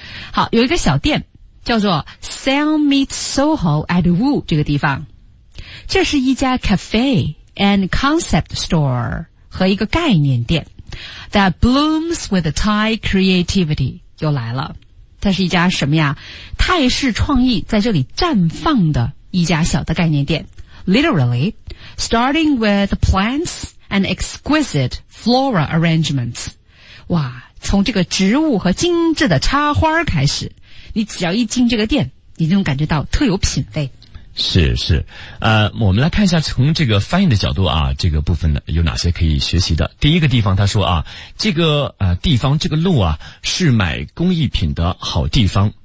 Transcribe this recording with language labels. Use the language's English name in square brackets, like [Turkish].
[Chinese] 好，有一个小店叫做 Sell Meet Soho at Wu 这个地方，这是一家 [English] cafe and concept store [Chinese] 和一个概念店 [English] that blooms with Thai creativity， [Chinese] 又来了。它是一家什么呀？泰式创意在这里绽放的一家小的概念店。 [English] Literally, starting with plants and exquisite flora arrangements. [Chinese] 哇，从这个植物和精致的插花开始，你只要一进这个店，你就能感觉到特有品味。是是，我们来看一下从这个翻译的角度啊，这个部分呢有哪些可以学习的。第一个地方他说啊，这个地方这个路啊是买工艺品的好地方。